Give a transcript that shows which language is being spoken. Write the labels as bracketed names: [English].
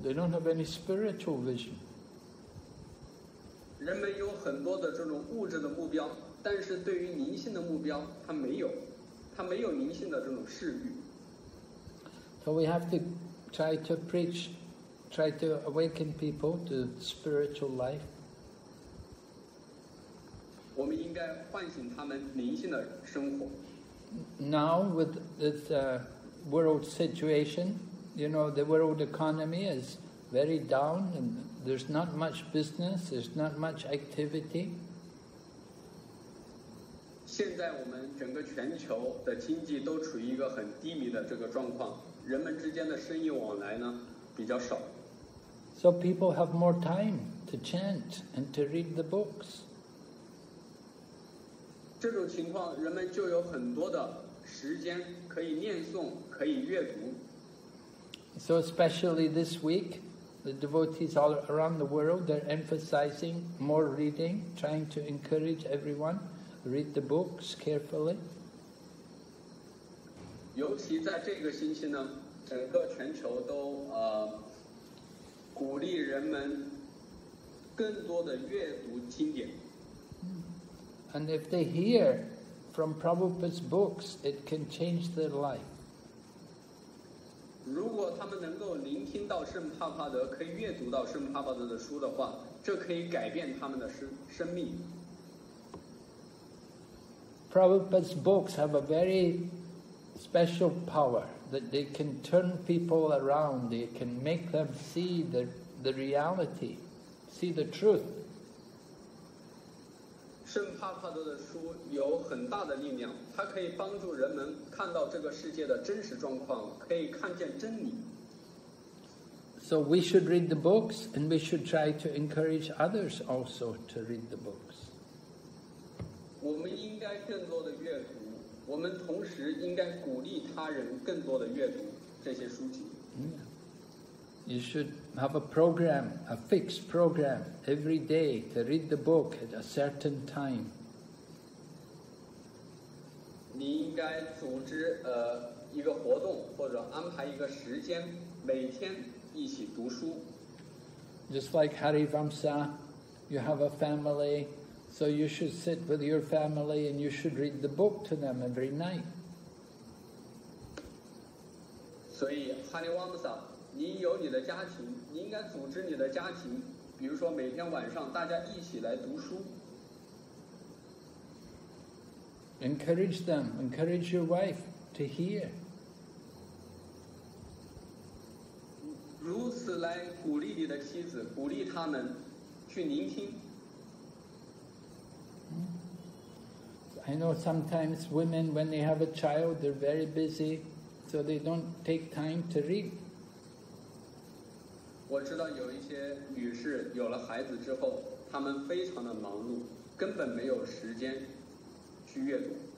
[English] They don't have any spiritual vision. [Chinese] 人们有很多的这种物质的目标，但是对于灵性的目标，他没有，他没有灵性的这种视域。 [English] So we have to try to preach, try to awaken people to spiritual life. [Chinese] 我们应该唤醒他们灵性的生活。 [English] Now with this world situation, you know, the world economy is very down and there's not much business, there's not much activity. [Chinese] 现在我们整个全球的经济都处于一个很低迷的这个状况，人们之间的生意往来呢比较少。 [English] So people have more time to chant and to read the books. [Chinese] 这种情况，人们就有很多的时间可以念诵，可以阅读。 [English] So especially this week, the devotees all around the world, they're emphasizing more reading, trying to encourage everyone, read the books carefully. [Chinese] 尤其在这个星期呢，整个全球都鼓励人们更多的阅读经典。 [English] And if they hear from Prabhupada's books, it can change their life. [Chinese] 如果他们能够聆听到圣帕帕德，可以阅读到圣帕帕德的书的话，这可以改变他们的生命。 [English] Prabhupada's books have a very special power that they can turn people around. They can make them see the reality, see the truth. [Chinese] 圣帕帕德的书有很大的力量，它可以帮助人们看到这个世界的真实状况，可以看见真理。 [English] So we should read the books, and we should try to encourage others also to read the books. [Chinese] 我们应该更多的阅读，我们同时应该鼓励他人更多的阅读这些书籍。 [English] You should have a program, a fixed program, every day to read the book at a certain time. [Chinese] 你应该组织一个活动，或者安排一个时间，每天一起读书。 [English] Just like Harivamsa, you have a family, so you should sit with your family and you should read the book to them every night. [Chinese] 所以 Harivamsa. 你有你的家庭，你应该组织你的家庭，比如说每天晚上大家一起来读书。 [English] Encourage them, encourage your wife to hear. [Chinese] 如此来鼓励你的妻子，鼓励他们去聆听。 [English] I know sometimes women, when they have a child, they're very busy, so they don't take time to read. [Chinese] 我知道有一些女士有了孩子之后，她们非常的忙碌，根本没有时间去阅读。